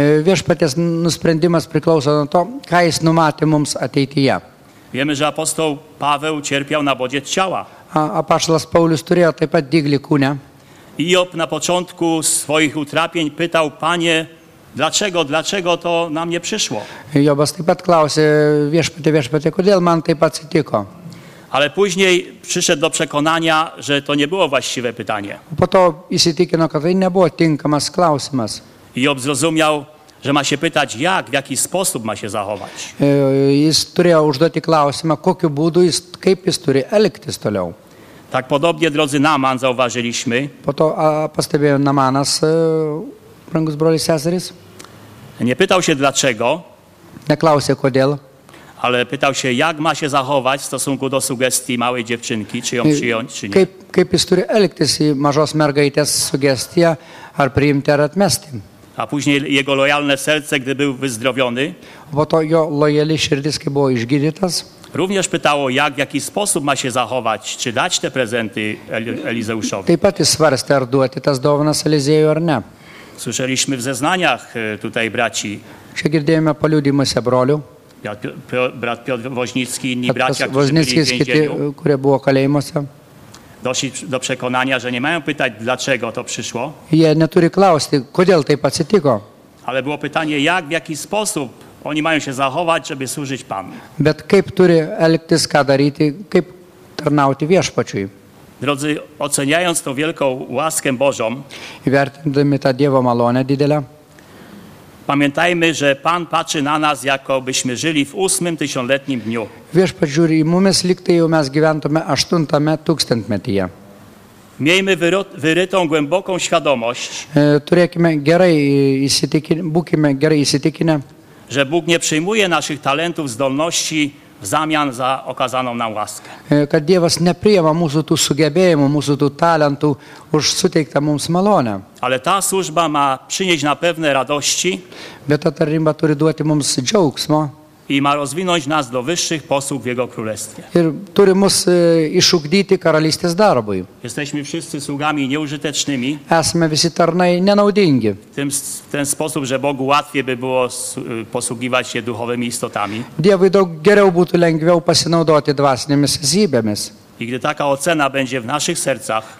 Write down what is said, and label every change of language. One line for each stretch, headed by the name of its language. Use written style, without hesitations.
Lithuanian: Viešpaties nusprendimas priklauso nuo to, ką jis numatė mums ateityje.
Polish: Wiemy, że apostoł Paweł cierpiał na bodziec ciała.
Lithuanian: Apaštalas Paulius turėjo taip pat diglį kūne.
Polish: Job na początku swoich utrapień pytał: Panie, dlaczego to na mnie przyszło?
Lithuanian: Jobas taip pat klausė: Viešpatie, kodėl man taip atsitiko?
Polish: Ale później przyszedł do przekonania, że to nie było właściwe pytanie.
Lithuanian: Po to įsitikino, kad tai nebuvo tinkamas klausimas.
Polish: Job zrozumiał, że ma się pytać, jak, w jaki sposób ma się zachować.
Lithuanian: Jis turėjo užduoti klausimą, kokiu būdu jis, kaip jis turi elgtis toliau.
Polish: Tak podobnie, drodzy, Naman zauważyliśmy.
Lithuanian: Po to pastebėjo Namanas, brangus brolis Cezaris.
Polish: Nie pytał się dlaczego.
Lithuanian: Neklausė kodėl.
Polish: Ale pytał się, jak ma się zachować w stosunku do sugestii małej dziewczynki, czy ją przyjąć, czy nie.
Lithuanian: Kaip jis turi elgtis į mažos mergaitės sugestiją, ar priimti, ar atmesti.
Polish: A później jego lojalne serce, gdy był wyzdrowiony.
Lithuanian: Bo to jo lojali širdis, kai buvo išgydytas.
Polish: Również pytało, jak, w jaki sposób ma się zachować, czy dać te prezenty Elizeuszowi.
Lithuanian: Taip pat jis svarstė, ar duoti tas dovanas Elizėjui, ar ne.
Polish: Słyszeliśmy w zeznaniach tutaj braci.
Lithuanian: Čia girdėjome paliudimuose brolių.
Polish: Brat Piotr Woźnicki, inni bracia, którzy byli w więzieniu.
Lithuanian: Kiti, kurie buvo kalėjimuose.
Polish: Doszli do przekonania, że nie mają pytać, dlaczego to przyszło.
Lithuanian: Jie neturi klausti, kodėl taip atsitiko.
Polish: Ale było pytanie, jak, w jaki sposób oni mają się zachować, żeby służyć Panu.
Lithuanian: Bet kaip turi elgtis, ką daryti, kaip tarnauti viešpačiui.
Polish: Drodzy, oceniając tą wielką łaskę Bożą,
Lithuanian: vertindami tą Dievo malonę didelę,
Polish: pamiętajmy, że Pan patrzy na nas, jakobyśmy żyli w 8000-letnim dniu.
Lithuanian: Viešpats žiūri į mumis, lyg tai jau mes gyventume 8 tūkstantmetyje.
Polish: Miejmy wyrytą głęboką świadomość.
Lithuanian: Turėkime gerai įsitikinę, būkime gerai įsitikinę,
Polish: że Bóg nie przyjmuje naszych talentów, zdolności w zamian za okazaną nam łaskę.
Lithuanian: Kad Dievas nepriima mūsų tų sugebėjimų, mūsų tų talentų už suteiktą mums malonę.
Polish: Ale ta służba ma przynieść na pewne radości.
Lithuanian: Bet ta tarnyba turi duoti mums džiaugsmo.
Polish: I ma rozwinąć nas do wyższych posług w Jego Królestwie.
Lithuanian: Ir turi mus išugdyti karalystės darbui.
Polish: Jesteśmy wszyscy sługami nieużytecznymi.
Lithuanian: Esame visi tarnai nenaudingi.
Polish: W ten sposób, że Bogu łatwiej by było posługiwać się duchowymi istotami.
Lithuanian: Dievui daug geriau būtų lengviau pasinaudoti dvasinėmis esybėmis.
Polish: I gdy taka ocena będzie w naszych sercach,